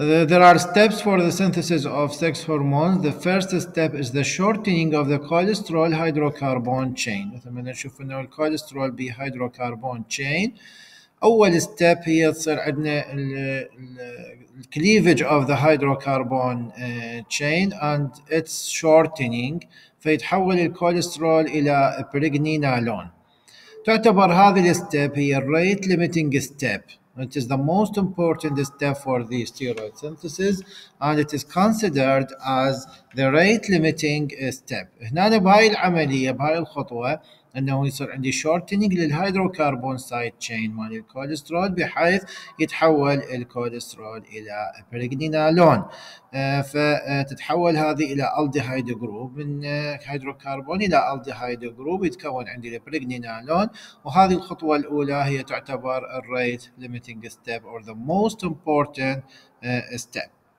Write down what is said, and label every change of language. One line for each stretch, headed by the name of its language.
English: There are steps for the synthesis of sex hormones. The first step is the shortening of the cholesterol hydrocarbon chain.
Arabic: مثل ما نشوف انه الكوليسترول بي هيدروكربون تشين. اول step هي تصير عندنا ال
English: cleavage of the hydrocarbon chain and its shortening,
Arabic: فيتحول الكوليسترول الى برجنينالون. تعتبر هذه الستيب هي
English: rate limiting step. It is the most important step for the steroid synthesis and it is considered as the rate limiting step.
Arabic: هنا بهاي العملية بهاي الخطوة انه يصير عندي shortening للهيدروكربون سايد تشين مال الكوليسترول بحيث يتحول الكوليسترول الى برجنينالون. فتتحول هذه الى الديهايد جروب, من هيدروكربون الى الديهايد جروب يتكون عندي البرجنينالون, وهذه الخطوة الاولى هي تعتبر الريت ليميتنج ستيب
English: or the most important step.